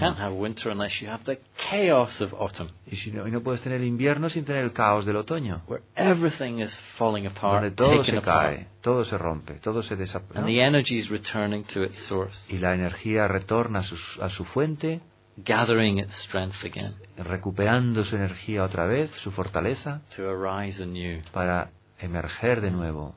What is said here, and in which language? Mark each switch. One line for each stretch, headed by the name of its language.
English: You can't have winter unless you have the chaos of autumn.
Spanish: Y no puedes tener invierno sin tener el caos del otoño.
English: Where everything is falling apart.
Spanish: Donde todo
English: taken
Spanish: se cae,
English: apart.
Spanish: Todo se rompe, todo se desaparece.
English: And the energy is returning to its source.
Spanish: Y la energía retorna a su fuente.
English: Gathering its strength again.
Spanish: Recuperando su energía otra vez, su fortaleza.
English: To arise anew.
Spanish: Para emerger de nuevo.